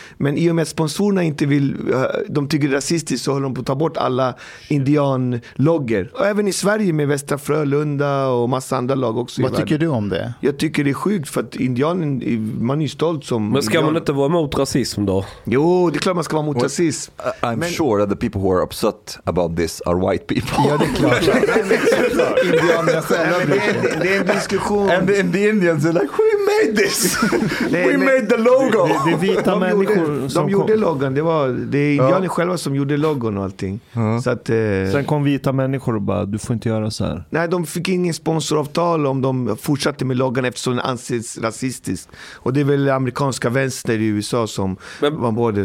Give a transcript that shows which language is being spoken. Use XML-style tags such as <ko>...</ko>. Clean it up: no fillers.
<sv>Men i och med att sponsorerna inte vill, de tycker det är rasistiskt, så håller de på att ta bort alla indian-logger. Och även i Sverige med Västra Frölunda och massa andra lag också. Vad tycker du om det? Jag tycker det är sjukt, för att indianen, man är ju stolt som... Men ska man inte vara mot rasism då? Jo, det är klart man ska vara mot rasism.</sv> <en>I'm sure that the people who are upset about this are white people.</en> <sv>Ja, det är klart. Indianerna själva blir det. Det är en diskussion.</sv> <en>And the Indians are like, we made this. We made the logo.</en> <sv>Det är vita de människor gjorde, som de gjorde loggan. Det var det är indianer själva som gjorde loggan och allting. Så att, sen kom vita människor och bara, du får inte göra så här. Nej, de fick ingen sponsoravtal om de fortsatte med loggan eftersom den anses rasistisk. Och det är väl amerikanska vänster i USA som men, var både.</sv>